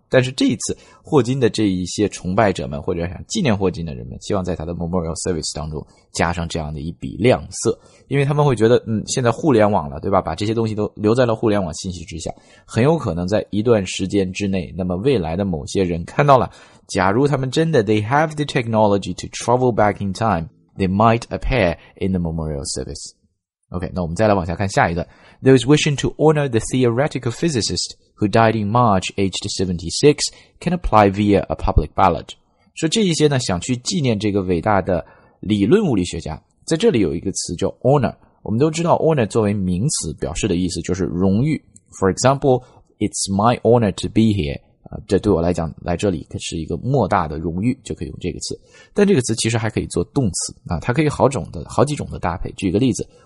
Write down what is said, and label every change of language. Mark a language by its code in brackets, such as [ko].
[zh] 但是这一次霍金的这一些崇拜者们或者想纪念霍金的人们希望在他的 memorial service 当中加上这样的一笔亮色，因为他们会觉得现在互联网了，对吧，把这些东西都留在了互联网信息之下，很有可能在一段时间之内，那么未来的某些人看到了，假如他们真的 [en] they have the technology to travel back in time, they might appear in the memorial service. [zh] OK, 那我们再来往下看下一段。 [en] Those wishing to honor the theoretical physicist who died in March aged 76 can apply via a public ballot. [zh] 说这一些呢想去纪念这个伟大的理论物理学家。在这里有一个词叫 honor。我们都知道 honor 作为名词表示的意思就是荣誉。 [en] For example, it's my honor to be here. [zh] 这对我来讲来这里是一个莫大的荣誉，就可以用这个词。但这个词其实还可以做动词啊，它可以好几种的搭配。举个例子。